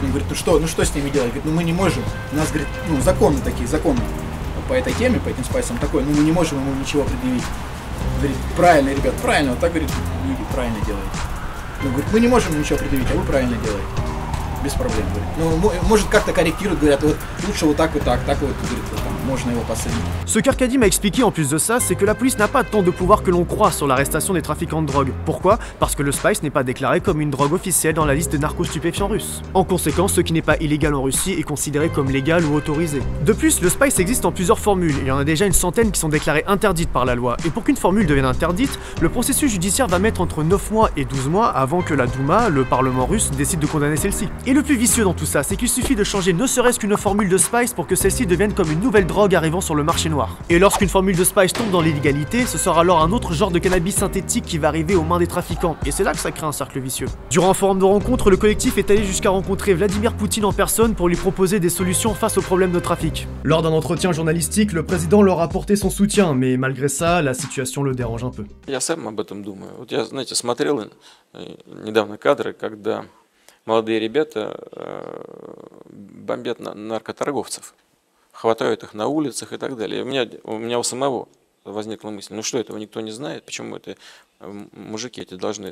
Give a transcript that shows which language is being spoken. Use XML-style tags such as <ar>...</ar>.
<ru>Он говорит, ну что с ними делать? Говорит, ну мы не можем. У нас, говорит, ну, законы такие, законы по этой теме, по этим спайсам такой, ну мы не можем ему ничего предъявить. Говорит, правильно, ребят, правильно, вот так, говорит, люди правильно делают. Ну, говорит, мы не можем ничего предъявить, а вы правильно делаете. Без проблем, говорит. Ну, может, как-то корректируют, говорят, вот лучше вот так, говорит, вот там, можно его посадить.</ru> <fr>Ce qu'Arkady m'a expliqué en plus de ça, c'est que la police n'a pas tant de pouvoir que l'on croit sur l'arrestation des trafiquants de drogue. Pourquoi ? Parce que le spice n'est pas déclaré comme une drogue officielle dans la liste des narcostupéfiants russes. En conséquence, ce qui n'est pas illégal en Russie est considéré comme légal ou autorisé. De plus, le spice existe en plusieurs formules, il y en a déjà une centaine qui sont déclarées interdites par la loi. Et pour qu'une formule devienne interdite, le processus judiciaire va mettre entre 9 mois et 12 mois avant que la Douma, le parlement russe, décide de condamner celle-ci. Et le plus vicieux dans tout ça, c'est qu'il suffit de changer ne serait-ce qu'une formule de spice pour que celle-ci devienne comme une nouvelle drogue arrivant sur le marché noir. Et lorsqu'une formule de spice tombe dans l'illégalité, ce sera alors un autre genre de cannabis synthétique qui va arriver aux mains des trafiquants, et c'est là que ça crée un cercle vicieux. Durant un forum de rencontre, le collectif est allé jusqu'à rencontrer Vladimir Poutine en personne pour lui proposer des solutions face aux problèmes de trafic. Lors d'un entretien journalistique, le président leur a apporté son soutien, mais malgré ça, la situation le dérange un peu.</fr> <ru>Я сам об этом думаю. Вот я, знаете, смотрел недавно кадры, когда молодые ребята бомбят наркоторговцев. Хватают их на улицах и так далее. У меня у самого возникла мысль, ну что, этого никто не знает, почему это мужики эти должны...</ru>